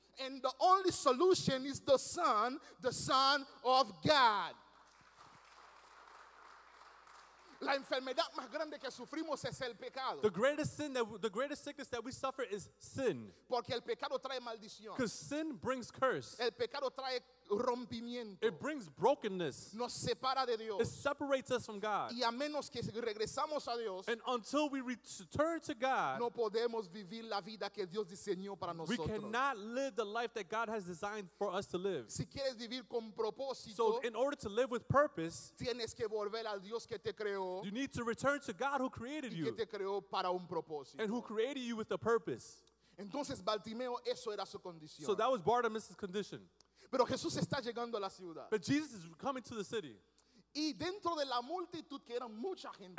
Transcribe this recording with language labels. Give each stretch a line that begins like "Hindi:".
English: And the only solution is the Son of God.
Spanish: La enfermedad más grande que sufrimos es el pecado.
English: The greatest sickness that we suffer is sin.
Spanish: Porque el pecado trae maldición.
English: Because sin brings curse.
Spanish: El pecado trae rompimiento.
English: It brings brokenness.
Spanish: Nos separa de Dios.
English: It separates us from God.
Spanish: Y a menos que regresamos a Dios,
English: and until we return to God,
Spanish: no podemos vivir la vida que Dios diseñó para nosotros.
English: We cannot live the life that God has designed for us to live.
Spanish: Si quieres vivir con propósito,
English: so in order to live with purpose,
Spanish: tienes que volver al Dios que te creó,
English: you need to return to God who created
Spanish: y que
English: you
Spanish: te creó para un propósito,
English: and who created you with a purpose.
Spanish: Entonces, Bartimeo, eso era su condición.
English: So that was Bartimaeus' condition.
Spanish: Pero Jesús está llegando a la ciudad.
English: But Jesus is coming to the city.
Spanish: Y dentro de la multitud, que era mucha gente,